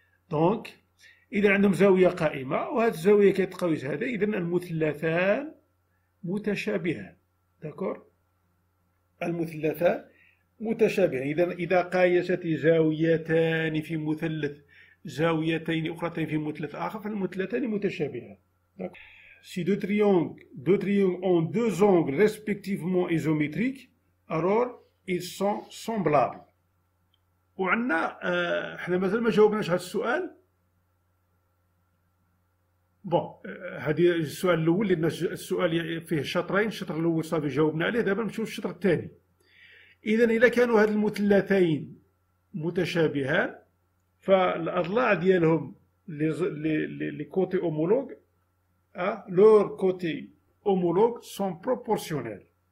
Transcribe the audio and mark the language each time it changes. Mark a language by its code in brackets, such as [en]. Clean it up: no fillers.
[ar] دونك إذا عندهم زاوية قائمة وهاد الزاوية كتقويس هذا، إذا المثلثان متشابهان. داكور، المثلثان متشابهان. إذا قايست زاويتان في مثلث، زاويتين أخرتين في مثلث آخر، فالمثلثان متشابهان. [fr] Si deux triangles ont deux angles respectivement isométriques, alors ils sont semblables. [ar] وعندنا إحنا مازال ما جاوبناش هذا السؤال. بون، هذه السؤال الاول، لان السؤال فيه شطرين، الشطر الاول صافي جاوبنا عليه، دابا نمشيو للشطر الثاني. اذا الا كانوا هذ المثلثين متشابهان، فالاضلاع ديالهم [fr] لي كوتي اومولوغ، لور كوتي اومولوغ سون بروبورسيونيل.